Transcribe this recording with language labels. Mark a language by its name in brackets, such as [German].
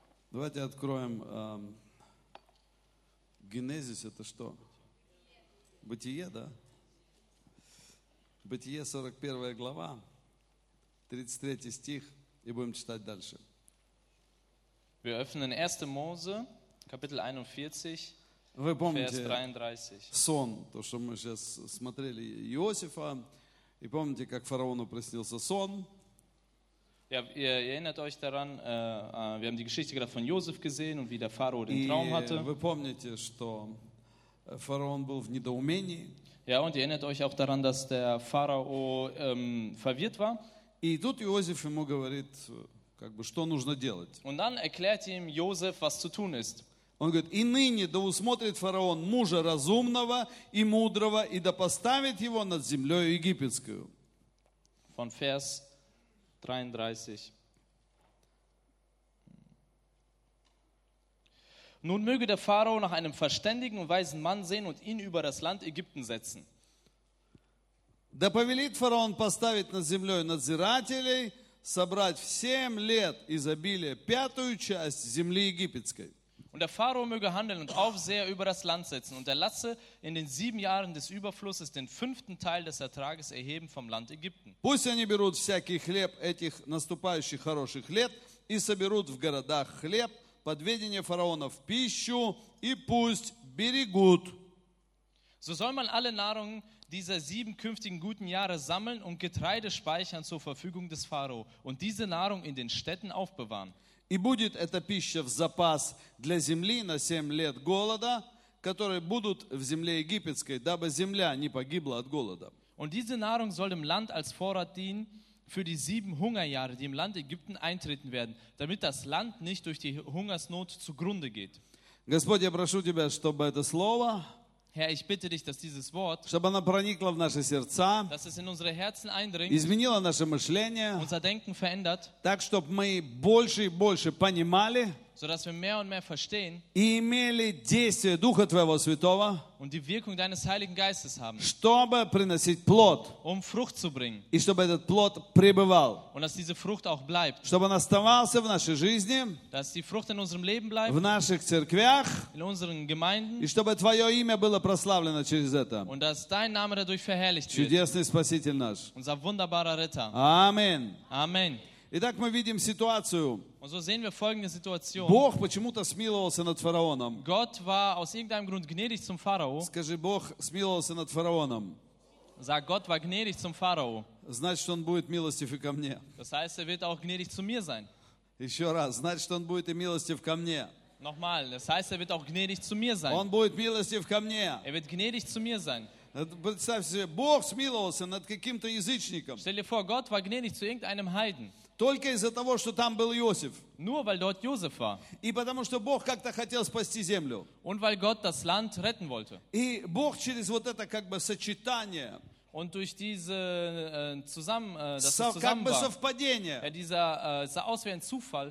[Russian] Давайте откроем Генезис, это что? Бытие, да? Бытие, 41 глава, 33 стих, и будем читать дальше. [German] Wir öffnen 1. Mose, Kapitel 41, [Russian] Вы помните [German] Vers 33. [Russian] Сон, то, что мы сейчас смотрели Иосифа, и помните, как фараону приснился сон? [German] Ja, ihr erinnert euch daran, wir haben die Geschichte gerade von Josef gesehen und wie der Pharao den Traum hatte. [Russian] Вы помните, что фараон был в недоумении. [German] Ja, und ihr erinnert euch auch daran, dass der Pharao verwirrt war. [Russian] И тут Иосиф ему говорит, как бы, что нужно делать. [German] Und dann erklärt ihm Josef, was zu tun ist. [Russian] Он говорит, и ныне да усмотрит фараон мужа разумного и мудрого, и да поставит его над землей египетскую. [German] Von Vers 33. Nun möge der Pharao nach einem verständigen und weisen Mann sehen und ihn über das Land Ägypten setzen. [Russian] Да повелит фараон поставить над землей надзирателей, собрать в 7 лет изобилия пятую часть земли египетской. [German] Und der Pharao möge handeln und Aufseher über das Land setzen und erlasse in den 7 Jahren des Überflusses den 5. Teil des Ertrages erheben vom Land Ägypten. [Russian] Пусть они берут всякий хлеб этих наступающих хороших лет и соберут в городах хлеб под ведение фараона в пищу и пусть берегут. [German] So soll man alle Nahrung dieser 7 künftigen guten Jahre sammeln und Getreide speichern zur Verfügung des Pharao und diese Nahrung in den Städten aufbewahren. [Russian] И будет эта пища в запас для земли на 7 лет голода, которые будут в земле египетской, дабы земля не погибла от голода. [German] Und diese Nahrung soll dem Land als Vorrat dienen für die 7 Hungerjahre, die im Land Ägypten eintreten werden, damit das Land nicht durch die Hungersnot zugrunde geht. [Russian] Господь, я прошу тебя, чтобы это слово, [German] Herr, ich bitte dich, dass dieses Wort, [Russian] чтобы оно проникло в наши сердца, [German] dass es in unsere Herzen eindringt, [Russian] изменило наше мышление, [German] unser Denken verändert, [Russian] так, чтобы мы больше и больше понимали, [German] sodass wir mehr und mehr verstehen, [Russian] и имели действие Духа Твоего Святого, [German] und die Wirkung deines Heiligen Geistes haben, [Russian] чтобы приносить плод, [German] um Frucht zu bringen, [Russian] и чтобы этот плод пребывал, [German] und dass diese Frucht auch bleibt, [Russian] чтобы он оставался в нашей жизни, [German] dass die Frucht in unserem Leben bleibt, [Russian] в наших церквях, [German] in unseren Gemeinden, [Russian] и чтобы Твое имя было прославлено через это, [German] und dass dein Name dadurch verherrlicht [Russian] чудесный [German] wird, [Russian] чудесный Спаситель наш, [German] unser wunderbarer Ritter. Amen. Amen. [Russian] Итак, мы видим ситуацию. [German] Und so sehen wir folgende Situation. [Russian] Бог почему-то смиловался над фараоном. [German] Gott war aus irgendeinem Grund gnädig zum Pharao. [Russian] Скажи, Бог смиловался над фараоном. [German] Sag, Gott war gnädig zum Pharao. [Russian] Значит, он будет милостив и ко мне. [German] Das heißt, wird auch gnädig zu mir sein. [Russian] Еще раз, значит, он будет и милостив ко мне. [German] Nochmal, das heißt, wird auch gnädig zu мир sein. [Russian] Он будет милостив ко мне. [German] Wird gnädig zu mir sein. [Russian] Представь себе, Бог смиловался над каким-то язычником. [German] Stell dir vor, Gott war gnädig zu irgendeinem Heiden. [Russian] Только из-за того, что там был Иосиф. [German] Nur weil dort Josef war. [Russian] И потому, что Бог как-то хотел спасти землю. [German] Und weil Gott das Land retten wollte. [Russian] И Бог через вот это как бы сочетание. [German] Und durch diese zusammen, dass [Russian] как [German] es zusammen [Russian] бы [German] war, [Russian] совпадение. [German] Ja, dieser, sah aus wie ein Zufall.